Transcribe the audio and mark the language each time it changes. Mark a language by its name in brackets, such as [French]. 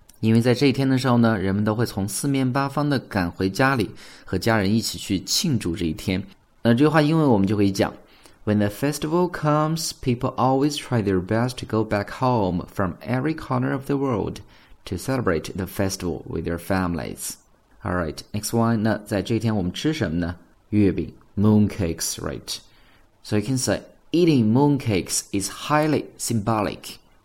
[Chinese] 因为在这一天的时候呢，人们都会从四面八方的赶回家里，和家人一起去庆祝这一天。那这句话英文我们就可以讲 [English] When the festival comes, people always try their best to go back home from every corner of the world to celebrate the festival with their families. Alright, next one, [Chinese] 那在这一天我们吃什么呢？ [English] 月饼 ,mooncakes, right? So you can say, eating mooncakes is highly symbolic.